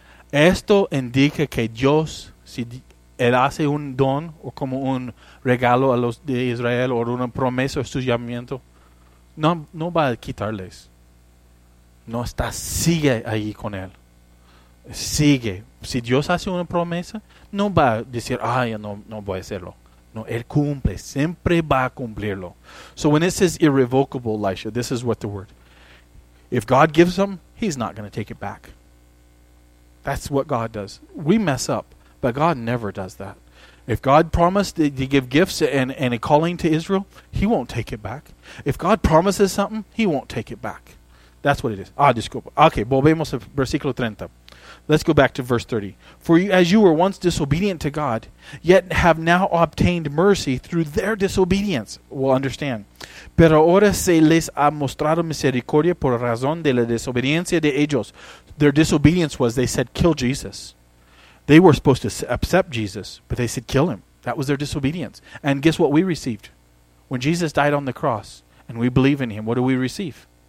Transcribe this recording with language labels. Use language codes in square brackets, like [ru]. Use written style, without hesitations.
[es] Esto indica que Dios, si él hace un don o como un regalo a los de Israel o una promesa o su llamamiento, no va a quitarles. No está, sigue ahí con él. Sigue. Si Dios hace una promesa, no va a decir, ay, no voy a hacerlo. No, él cumple. Siempre va a cumplirlo. [en] So when it says irrevocable, Elisha, this is what the word. If God gives them, he's not going to take it back. That's what God does. We mess up, but God never does that. If God promised to give gifts and a calling to Israel, he won't take it back. If God promises something, he won't take it back. That's what it is. [es] Ah, disculpa. [en] Okay, [es] volvemos a versículo 30. [en] Let's go back to verse 30. For you, as you were once disobedient to God, yet have now obtained mercy through their disobedience. We'll understand. [es] Pero ahora se les ha mostrado misericordia por razón de la desobediencia de ellos. [en] Their disobedience was they said, kill Jesus. They were supposed to accept Jesus, but they said, kill him. That was their disobedience. And guess what we received? When Jesus died on the cross and we believe in him, what do we receive?